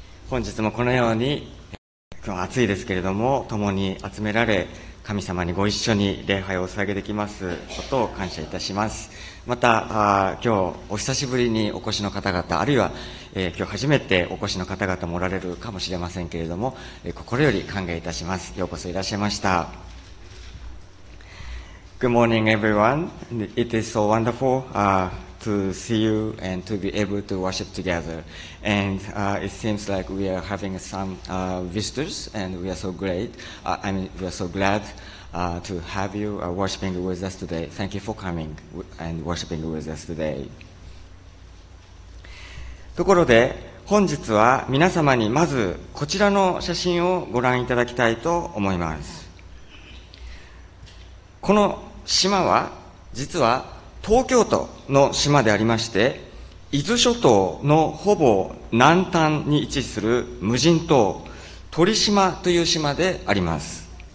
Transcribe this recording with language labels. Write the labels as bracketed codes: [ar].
[ja] 本日もこのように暑いですけれども、共に集められ神様にご一緒に礼拝を捧げてきますことを感謝いたします。また今日お久しぶりにお越しの方々、あるいは、今日初めてお越しの方々もおられるかもしれませんけれども、心より歓迎いたします。ようこそいらっしゃいました。 [en] Good morning, everyone. It is so wonderful to see you and to be able to worship together. And it seems like we are having some visitors, and we are so great. I mean, we are so glad to have you worshiping with us today. Thank you for coming and worshiping with us today. [ja] ところで、本日は皆様にまずこちらの写真をご覧いただきたいと思います。この島は実は東京都の島でありまして、伊豆諸島のほぼ南端に位置する無人島、鳥島という島であります。